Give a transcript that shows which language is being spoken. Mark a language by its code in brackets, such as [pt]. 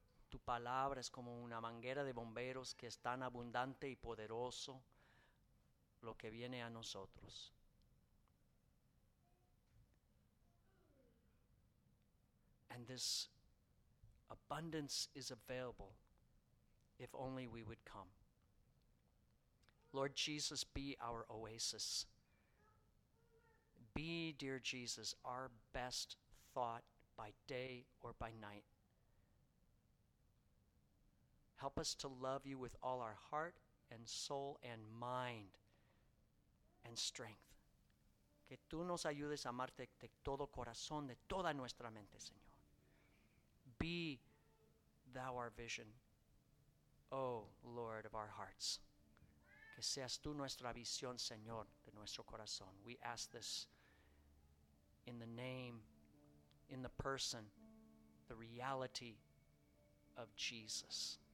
[es] Tu palabra es como una manguera de bomberos que es tan abundante y poderoso lo que viene a nosotros. [en] And this abundance is available if only we would come. Lord Jesus, be our oasis. Be, dear Jesus, our best thought by day or by night. Help us to love you with all our heart and soul and mind and strength. [es] Que tú nos ayudes a amarte de todo corazón, de toda nuestra mente, Señor. [en] Be thou our vision, O Lord of our hearts. [es] Que seas tú nuestra visión, Señor, de nuestro corazón. [en] We ask this in the name, in the person, the reality of Jesus.